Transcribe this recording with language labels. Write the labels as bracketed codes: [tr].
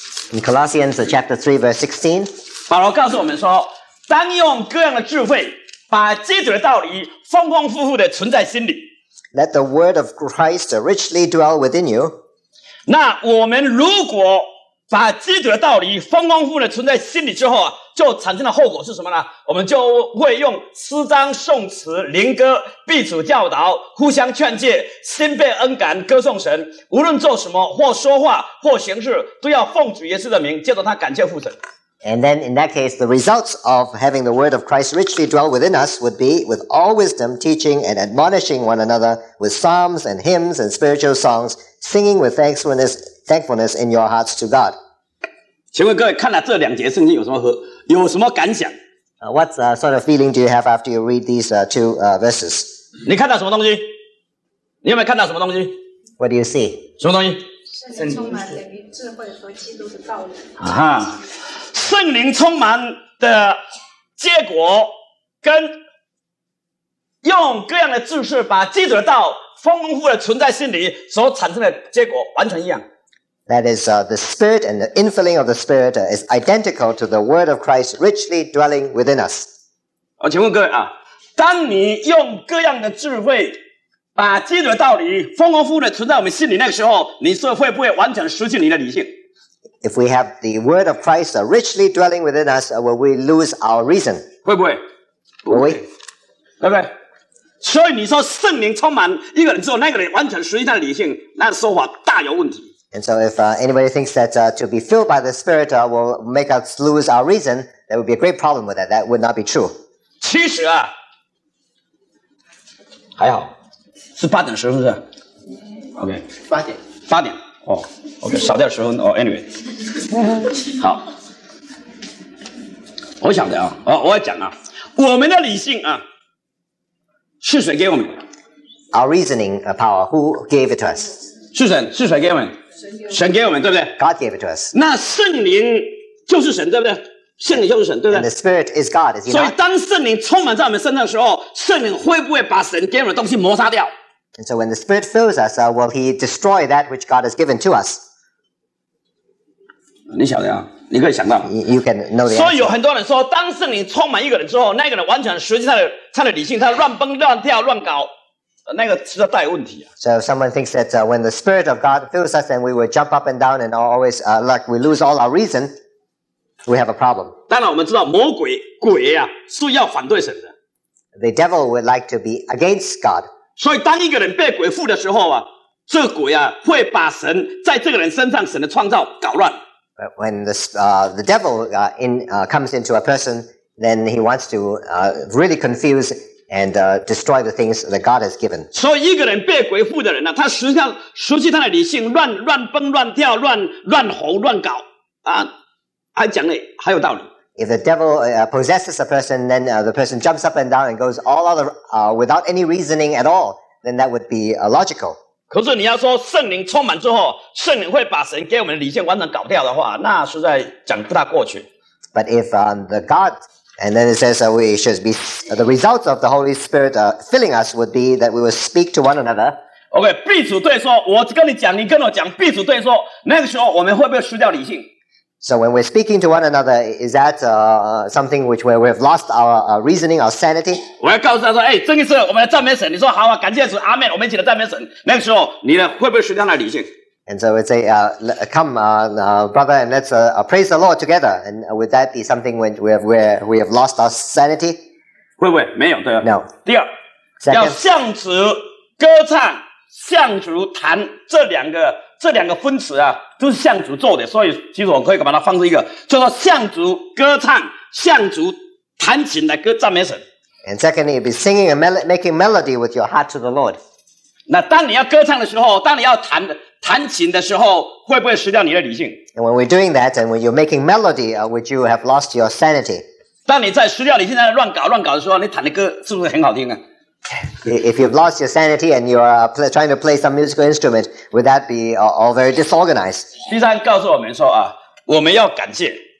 [en] In Colossians chapter 3, verse 16, [zh] 保罗告诉我们说，当用各样的智慧，把基督的道理丰丰富富的存在心里。 [en] Let the word of Christ richly dwell within you. [zh] 那我们如果把基督的道理丰丰富的存在心里之后啊，就产生的后果是什么呢？我们就会用诗章、颂词、灵歌、彼此教导、互相劝诫、心被恩感、歌颂神。无论做什么，或说话，或行事，都要奉主耶稣的名，借着他感谢父神。 [en] And then in that case, the results of having the word of Christ richly dwell within us would be with all wisdom, teaching and admonishing one another with psalms and hymns and spiritual songs, singing with thankfulness in your hearts to God. [zh] 请问各位看了这两节圣经有什么感想？ [en] What sort of feeling do you have after you read these two verses? [zh] 你看到什么东西？你有没有看到什么东西？ [en] What do you see? [zh] 什么东西？圣灵充满等于智慧和基督的道理。圣灵充满的结果跟用各样的知识把基督的道丰富的存在心里所产生的结果完全一样。 [en] That is, the Spirit and the infilling of the Spirit is identical to the Word of Christ richly dwelling within us. [zh] 我请问各位啊，当你用各样的智慧把基督的道理丰富的存在我们心里那个时候，你是会不会完全失去你的理性？ [en] If we have the word of Christ richly dwelling within us, will we lose our reason? [zh] 会不会？不会。对不对？所以你说圣灵充满一个人之后，那个人完全失去他的理性，那个说法大有问题。 [en] And so if anybody thinks that to be filled by the Spirit will make us lose our reason, there would be a great problem with that. That would not be true. [zh] 其实啊，还好，是八点是不是 ？OK，八点。 OK， 少点十分哦。 Anyway， 好，我想的啊，我要讲啊，我们的理性啊，是谁给我们 [en] ？Our reasoning power, who gave it to us？ [zh] 是谁给我们？神给我们，对不对 [en] ？God gave it to us。 [zh] 那圣灵就是神，对不对？圣灵就是神，对不对 [en] ？And the Spirit is God, is he not？ [zh] 所以当圣灵充满在我们身上的时候，圣灵会不会把神给我们的东西磨杀掉？ [en] And so when the Spirit fills us, will he destroy that which God has given to us? [zh] 你晓得啊，你可以想到。 [en] You can know the answer. [zh] 所以有很多人说，当圣灵充满一个人之后，那个人完全失去他的理性，他乱蹦乱跳乱搞，那个实在大有问题啊。 [en] So someone thinks that when the Spirit of God fills us, then we will jump up and down and always, like we lose all our reason, we have a problem. [zh] 当然我们知道魔鬼，鬼啊，是要反对神的。 [en] The devil would like to be against God. [zh] 所以当一个人被鬼附的时候啊，这个鬼啊会把神在这个人身上神的创造搞乱。 [en] But when the devil comes into a person, then he wants to really confuse and destroy the things that God has given. [zh] 所以一个人被鬼附的人啊，他实际上失去他的理性，乱蹦乱跳，乱吼乱搞啊，还讲的还有道理。 [en] If the devil possesses a person, then the person jumps up and down and goes all other without any reasoning at all, then that would be logical. [zh] 可是你要说圣灵充满之后，圣灵会把神给我们的理性完全搞掉的话，那实在讲不大过去。 [en] But if the God, and then it says that we should be the results of the Holy Spirit filling us would be that we will speak to one another. [zh] Okay, 彼此对说，我跟你讲，你跟我讲，彼此对说，那个时候我们会不会失掉理性？ [en] So when we're speaking to one another, is that something which where we've lost our reasoning, our sanity? [zh] 我要告诉他说，哎，真的是我们来赞美神。你说好啊，感谢神，阿门，我们一起来赞美神。那个时候，你呢会不会失掉了理性 [en] ？And so we say, come, brother, and let's praise the Lord together. And would that be something when we have lost our sanity? [zh] 会不会没有对吧 [en] ？No. [zh] 第二， [en] Second? [zh] 要向主歌唱，向主弹这两个分词啊。就是向主做的，所以其实我可以把它放置一个，叫做向主歌唱，向主弹琴来歌赞美神。 [en] And secondly, you'll be singing a melody, making melody with your heart to the Lord. [zh] 那当你要歌唱的时候，当你要弹琴的时候，会不会失掉你的理性 [en] ？And when we're doing that, and when you're making melody, would you have lost your sanity? [zh] 当你在失掉理性，在乱搞的时候，你弹的歌是不是很好听啊？ [en] If you've lost your sanity and you are trying to play some musical instrument, would that be all very disorganized? [zh] 第三告诉我们说啊，我们要感谢。